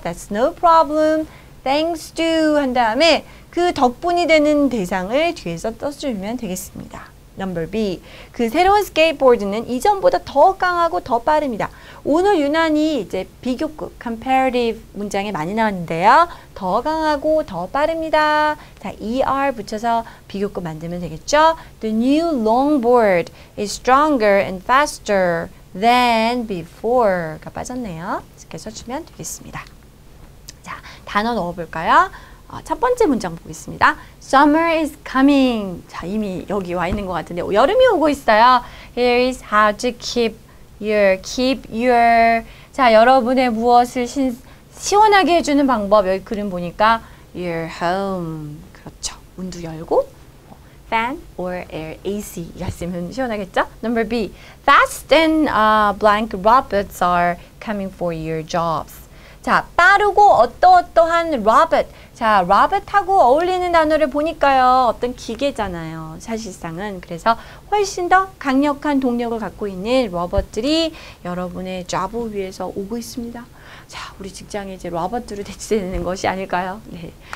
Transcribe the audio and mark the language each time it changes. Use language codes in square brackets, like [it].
[en] That's no problem. Thanks to [ko] 한 다음에 그 덕분이 되는 대상을 뒤에서 떠주면 되겠습니다. [en] Number B, [ko] 그 새로운 스케이트보드는 이전보다 더 강하고 더 빠릅니다. 오늘 유난히 이제 비교급, comparative 문장에 많이 나왔는데요. 더 강하고 더 빠릅니다. 자, ER 붙여서 비교급 만들면 되겠죠. [en] The new longboard is stronger and faster than before. [ko] 가 빠졌네요. 이렇게 써주면 되겠습니다. 자, 단어 넣어볼까요? 첫 번째 문장 보겠습니다. [en] Summer is coming. [ko] 자, 이미 여기 와 있는 것 같은데 여름이 오고 있어요. [en] Here is how to keep your [ko] 자, 여러분의 무엇을 시원하게 해주는 방법 여기 그림 보니까 [en] your home [ko] 그렇죠. 문도 열고 [en] fan or air AC [ko] 이랬으면 시원하겠죠? [en] Number B. Fast and blank robots are coming for your jobs. [ko] 자, 빠르고 어떠어떠한 로봇. 자, 로봇하고 어울리는 단어를 보니까요. 어떤 기계잖아요. 사실상은. 그래서 훨씬 더 강력한 동력을 갖고 있는 로봇들이 여러분의 job을 위해서 오고 있습니다. 자, 우리 직장에 이제 로봇들로 대체되는 것이 아닐까요? 네.